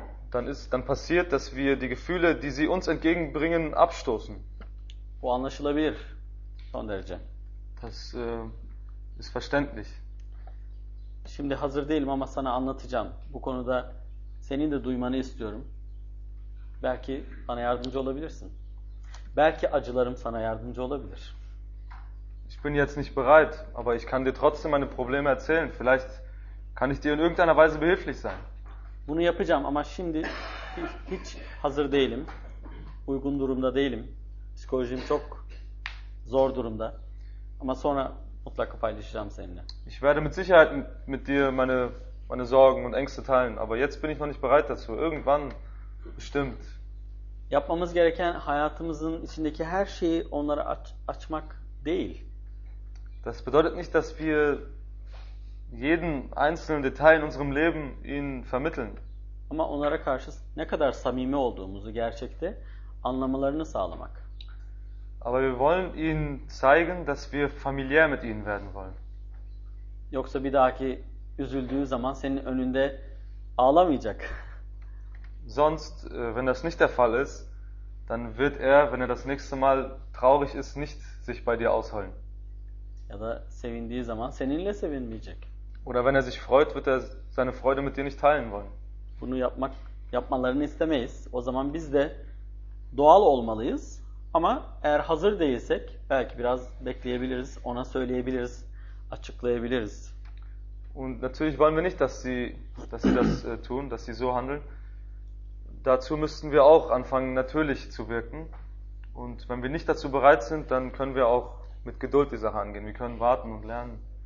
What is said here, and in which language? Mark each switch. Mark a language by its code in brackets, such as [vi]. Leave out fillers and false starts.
[de] Dann passiert, dass wir die Gefühle, die sie uns entgegenbringen, abstoßen. [tr] Bu anlaşılabilir son derece. [de] Das ist verständlich. [tr] Şimdi hazır değilim ama sana anlatacağım. Bu konuda senin de duymanı istiyorum. Belki bana yardımcı olabilirsin. Belki acılarım sana yardımcı olabilir. [de] Ich bin jetzt nicht bereit, aber ich kann dir trotzdem meine Probleme erzählen. Vielleicht kann ich dir in irgendeiner Weise behilflich sein. [tr] Bunu yapacağım ama şimdi hiç hazır değilim. Uygun durumda değilim. Psikolojim çok zor durumda. Ama sonra mutlaka paylaşacağım seninle. [de] Ich werde mit Sicherheit mit dir meine Sorgen und Ängste teilen, aber jetzt bin ich noch nicht bereit dazu. Irgendwann bestimmt. [tr] Yapmamız gereken hayatımızın içindeki her şeyi onlara açmak değil. [de] Das bedeutet nicht, dass wir jeden einzelnen Detail in unserem Leben ihnen vermitteln. [tr] ama onlara karşı ne kadar samimi olduğumuzu gerçekte anlamalarını sağlamak. [de] Aber wir wollen ihnen zeigen, dass wir familiär mit ihnen werden wollen. [tr] Yoksa bir dahaki üzüldüğü zaman senin önünde ağlamayacak. [de] Sonst, wenn das nicht der Fall ist, dann wird wenn das nächste Mal traurig ist, nicht sich bei dir ausholen. [tr] Ya da sevindiği zaman seninle sevinmeyecek. [de] Oder wenn sich freut, wird seine Freude mit dir nicht teilen wollen. [tr] Bunu yapmalarını istemeyiz. O zaman biz de doğal olmalıyız. Ama eğer hazır değilsek, belki biraz bekleyebiliriz, ona söyleyebiliriz, açıklayabiliriz. [de] Und natürlich wollen wir nicht, dass sie das tun, dass sie so handeln. Dazu müssten wir auch anfangen, natürlich zu wirken. Und wenn wir nicht dazu bereit sind, dann können wir auch mit Geduld die Sache angehen. Wir können warten und lernen.